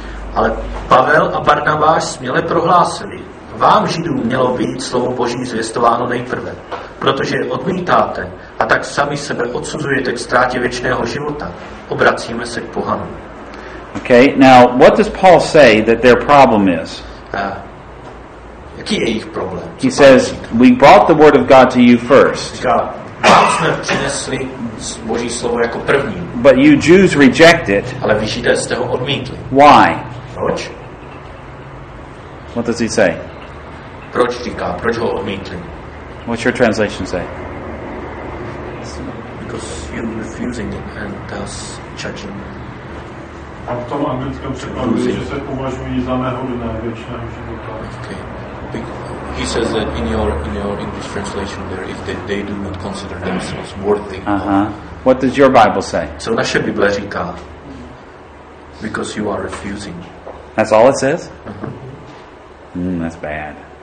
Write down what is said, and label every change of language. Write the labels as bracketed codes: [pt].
[cs] Ale Pavel a Barnabáš směle prohlásili, vám Židům mělo být slovo Boží zvěstováno nejprve, protože odmítáte a tak sami sebe odsuzujete k ztrátě věčného života. Obracíme se k pohanům. [en] Okay, now what does Paul say that their problem is? [cs] Jaký je jejich problém? [en] He says, we brought the word of God to you first. [cs] Vám jsme přinesli Boží slovo jako první. [en] But you Jews reject it. [cs] Ale vy Židé jste ho odmítli. [en] Why? [cs] Proč? [en] What does he say? [cs] Proč říká? Proč ho odmítli? [en] What's your translation say? Because you're refusing it and thus judging. [cs] A v tom anglickém překladu, že se považují za nehodné věčného života. [en] Okay. He says that in your English translation there is that they do not consider themselves worthy. Uh-huh. What does your Bible say? [cs] Co naše Bible říká? [en] Because you are refusing. That's all it says? Uh-huh. Mm, that's bad.